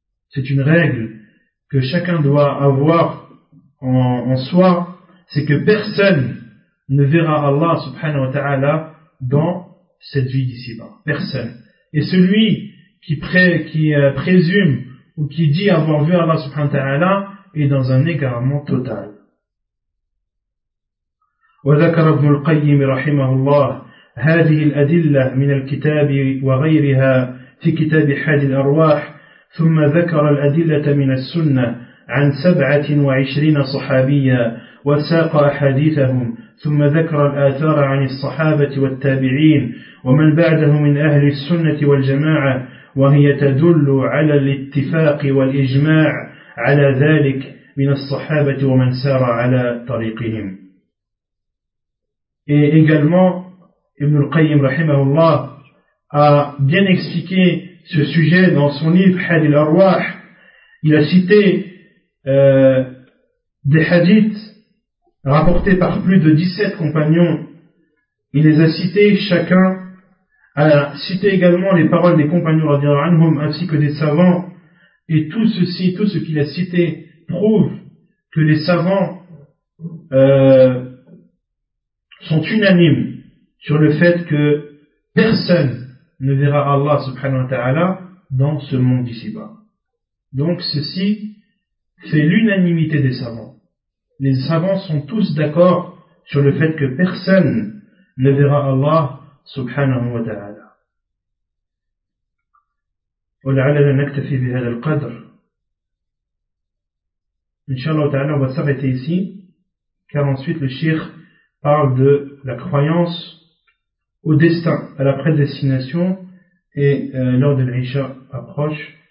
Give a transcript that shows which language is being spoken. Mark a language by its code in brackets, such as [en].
[fr] C'est une règle que chacun doit avoir en soi, c'est que personne ne verra Allah subhanahu wa ta'ala dans cette vie d'ici-bas. Personne. Et celui qui présume ou qui dit avoir vu Allah subhanahu wa ta'ala est dans un égarement total. [ar] وذكر ابن القيم رحمه الله هذه الأدلة من الكتاب وغيرها في كتاب حاد الأرواح، ثم ذكر الأدلة من السنة عن 27 صحابيا وساق أحاديثهم، ثم ذكر الآثار عن الصحابة والتابعين ومن بعده من أهل السنة والجماعة، وهي تدل على الاتفاق والإجماع على ذلك من الصحابة ومن سار على طريقهم. [fr] Et également, Ibn al-Qayyim rahimahullah a bien expliqué ce sujet dans son livre Had al-Arwah. Il a cité des hadiths rapportés par plus de 17 compagnons. Il les a cités chacun. A cité également les paroles des compagnons radiallahu anhum ainsi que des savants. Et tout ceci, tout ce qu'il a cité prouve que les savants sont unanimes sur le fait que personne ne verra Allah subhanahu wa ta'ala dans ce monde d'ici-bas. Donc ceci fait l'unanimité des savants. Les savants sont tous d'accord sur le fait que personne ne verra Allah subhanahu wa ta'ala. [ar] ولعلنا نكتفي بهذا القدر. [fr] Inch'Allah ta'ala, on va s'arrêter ici, car ensuite le shaykh parle de la croyance au destin, à la prédestination, et lors de l'Isha approche.